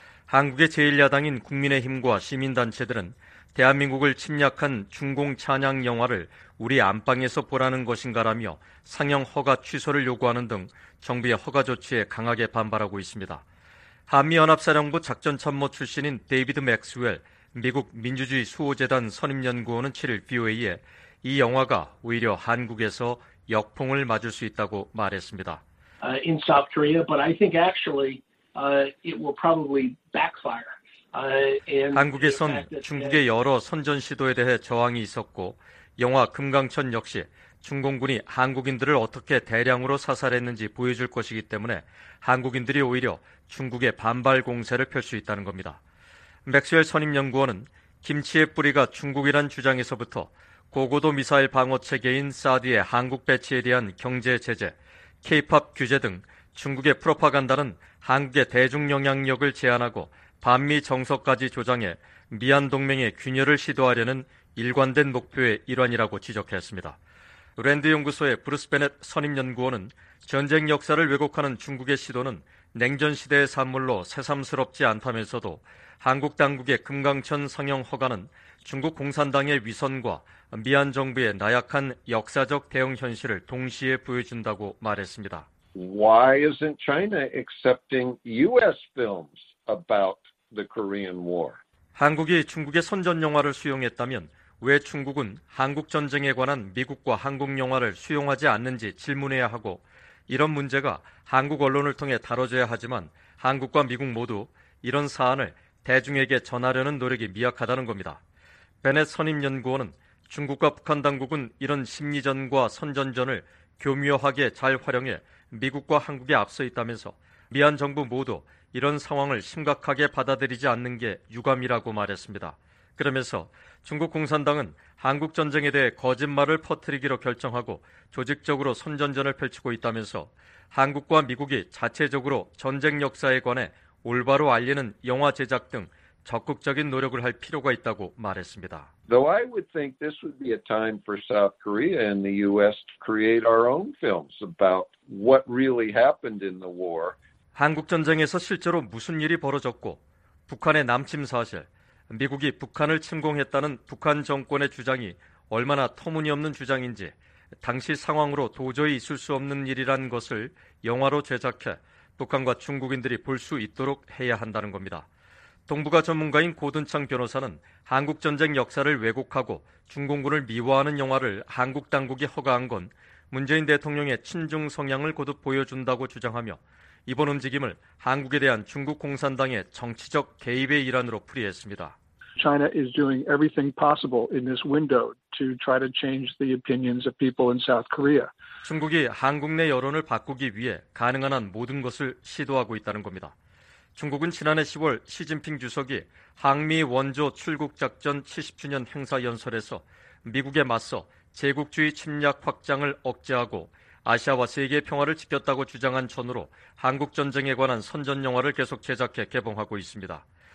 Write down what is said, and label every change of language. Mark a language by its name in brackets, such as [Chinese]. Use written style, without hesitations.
[Korean] 한국의 제1야당인 국민의힘과 시민단체들은 대한민국을 침략한 중공 찬양 영화를 우리 안방에서 보라는 것인가라며 상영 허가 취소를 요구하는 등 정부의 허가 조치에 강하게 반발하고 있습니다. 한미연합사령부 작전참모 출신인 데이비드 맥스웰 미국 민주주의 수호재단 선임연구원은 7일 BOA에 이 영화가 오히려 한국에서 역풍을 맞을 수 있다고 말했습니다. [English] In South Korea, but I think actually it will probably backfire. [Korean] 한국에선 중국의 여러 선전 시도에 대해 저항이 있었고 영화 금강천 역시 중공군이 한국인들을 어떻게 대량으로 사살했는지 보여줄 것이기 때문에 한국인들이 오히려 중국의 반발 공세를 펼 수 있다는 겁니다. 맥스웰 선임연구원은 김치의 뿌리가 중국이란 주장에서부터 고고도 미사일 방어체계인 사드의 한국 배치에 대한 경제 제재, 케이팝 규제 등 중국의 프로파간다는 한국의 대중 영향력을 제한하고 반미 정서까지 조장해 미한 동맹의 균열을 시도하려는 일관된 목표의 일환이라고 지적했습니다. 랜드 연구소의 브루스 베넷 선임연구원은 전쟁 역사를 왜곡하는 중국의 시도는 냉전 시대의 산물로 새삼스럽지 않다면서도 한국 당국의 금강천 상영 허가는 중국 공산당의 위선과 미얀 정부의 나약한 역사적 대응 현실을 동시에 보여준다고 말했습니다. [English] Why isn't China accepting US films about the Korean War? [Korean] 한국이 중국의 선전 영화를 수용했다면 왜 중국은 한국 전쟁에 관한 미국과 한국 영화를 수용하지 않는지 질문해야 하고 이런 문제가 한국 언론을 통해 다뤄져야 하지만 한국과 미국 모두 이런 사안을 대중에게 전하려는 노력이 미약하다는 겁니다. 베넷 선임연구원은 중국과 북한 당국은 이런 심리전과 선전전을 교묘하게 잘 활용해 미국과 한국에 앞서 있다면서 미한 정부 모두 이런 상황을 심각하게 받아들이지 않는 게 유감이라고 말했습니다. 그러면서 중국 공산당은 한국 전쟁에 대해 거짓말을 퍼뜨리기로 결정하고 조직적으로 선전전을 펼치고 있다면서 한국과 미국이 자체적으로 전쟁 역사에 관해 올바로 알리는 영화 제작 등 적극적인 노력을 할 필요가 있다고 말했습니다. [English] Though I would think this would be a time for South Korea and the US to create our own films about what really happened in the war. [Korean] 한국 전쟁에서 실제로 무슨 일이 벌어졌고 북한의 남침 사실, 미국이 북한을 침공했다는 북한 정권의 주장이 얼마나 터무니없는 주장인지 당시 상황으로 도저히 있을 수 없는 일이란 것을 영화로 제작해 북한과 중국인들이 볼 수 있도록 해야 한다는 겁니다. 동북아 전문가인 고든창 변호사는 한국 전쟁 역사를 왜곡하고 중공군을 미화하는 영화를 한국 당국이 허가한 건 문재인 대통령의 친중 성향을 거듭 보여준다고 주장하며 이번 움직임을 한국에 대한 중국 공산당의 정치적 개입의 일환으로 풀이했습니다. [English] China is doing everything possible in this window to try to change the opinions of people in South Korea. [Korean] 중국이 한국 내 여론을 바꾸기 위해 가능한 한 모든 것을 시도하고 있다는 겁니다. 중국은 지난해 10월 시진핑 주석이 항미 원조 출국 작전 70주년 행사 연설에서 미국에 맞서 제국주의 침략 확장을 억제하고 아시아와 세계 평화를 지켰다고 주장한 전후로 한국 전쟁에 관한 선전 영화를 계속 제작해 개봉하고 있습니다.